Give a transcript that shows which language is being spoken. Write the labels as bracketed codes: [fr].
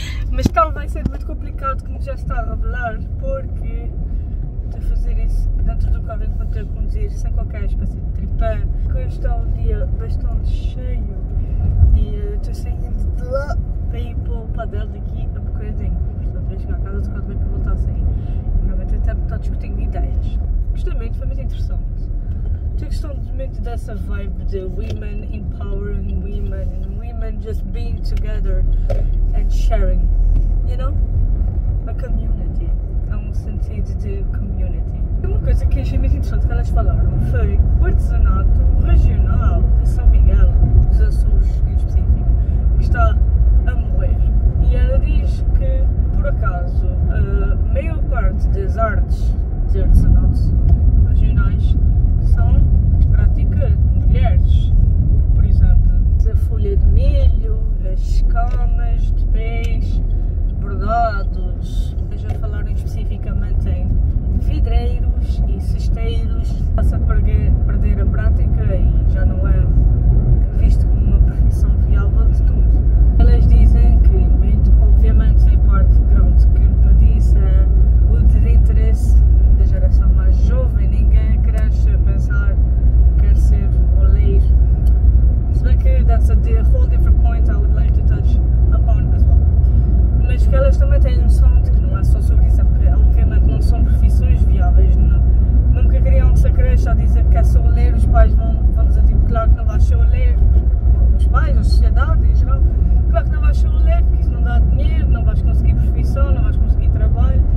[pt] Mas talvez seja muito complicado, como já está a revelar, porque de fazer isso dentro do carro enquanto eu conduzir, sem qualquer espécie de tripé, que hoje está um dia bastante cheio e estou saindo de lá para ir para o padel daqui a bocadinho. Estou a chegar a casa, estou a ver para voltar a sair. Não vai ter tempo de estar discutindo ideias. Gostei muito, foi muito interessante. questão de muito dessa vibe de [en] women empowering women and women just being together and sharing, you know? [pt] A community. É um sentido de community. Uma coisa que achei muito interessante que elas falaram foi o artesanato regional de São Miguel, dos Açores em específico, que está a morrer. E ela diz que, por acaso, a maior parte das artes de artesanato regionais são de prática de mulheres. Por exemplo, a folha de milho, as camas de peixe, bordados. Já falaram especificamente em vidreiros e cesteiros. Passa a perder a prática e já não é visto como uma profissão viável de tudo. Elas dizem que, muito, obviamente, em parte, pronto, que me disse é o desinteresse da geração mais jovem. Ninguém cresce a pensar, quer ser ou ler. Se bem que [en] that's a whole different point I would like to touch upon as well. [pt] Mas que elas também têm noção de que não é só sobre isso, porque obviamente não são profissões viáveis. Nunca queriam que se cresça a dizer que é só ler, os pais vão dizer tipo, claro que não vais só ler, os pais, a sociedade em geral, claro que não vais só ler, porque isso não dá dinheiro, não vais conseguir profissão, não vais conseguir trabalho.